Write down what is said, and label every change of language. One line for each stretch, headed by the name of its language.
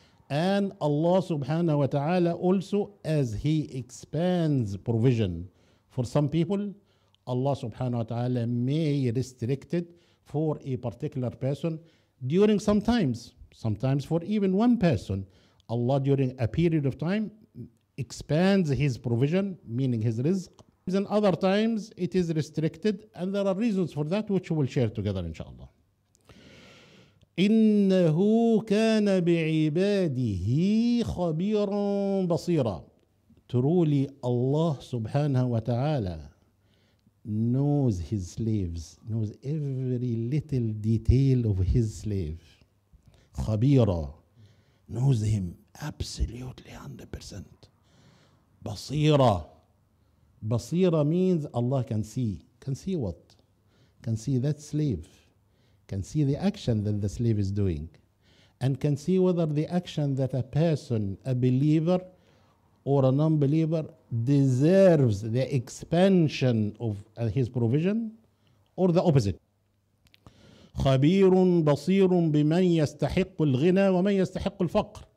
English: And Allah subhanahu wa ta'ala also, as He expands provision for some people, Allah subhanahu wa ta'ala may restrict it for a particular person during sometimes for even one person. Allah during a period of time expands His provision, meaning His rizq. And other times it is restricted, and there are reasons for that which we will share together inshallah.
Arabic: إنه كان بعباده خبيرا بصيرا.
English: Truly Allah subhanahu wa ta'ala knows His slaves, knows every little detail of His slave. خبيرا, knows him absolutely 100%. بصيرا, بصيرا means Allah can see what? Can see that slave, can see the action that the slave is doing, and can see whether the action that a person, a believer or a non-believer, deserves the expansion of his provision or the opposite.
Arabic: خبير بصير بمن يستحق الغنى ومن يستحق الفقر.